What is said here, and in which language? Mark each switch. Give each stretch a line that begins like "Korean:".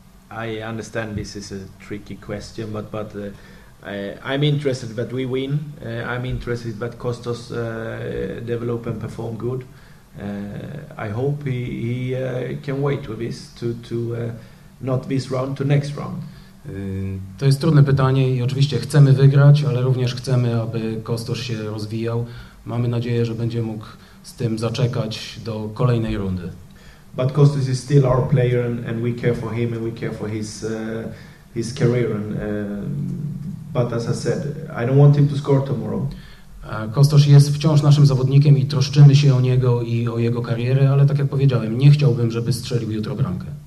English: I understand this is a tricky question, but I'm interested that we win. I'm interested that Kostos develop and perform good. I hope he can wait with this to not this round, to next round.
Polish: To jest trudne pytanie i oczywiście chcemy wygrać, ale również chcemy, aby Kostos się rozwijał. Mamy nadzieję, że będzie mógł z tym zaczekać do kolejnej rundy.
English: But Kostis is still our player and we care for him and we care for his career and but as I said, I don't want him to score tomorrow.
Polish: Kostos jest wciąż naszym zawodnikiem i troszczymy się o niego i o jego karierę, ale tak jak powiedziałem, nie chciałbym, żeby strzelił jutro bramkę.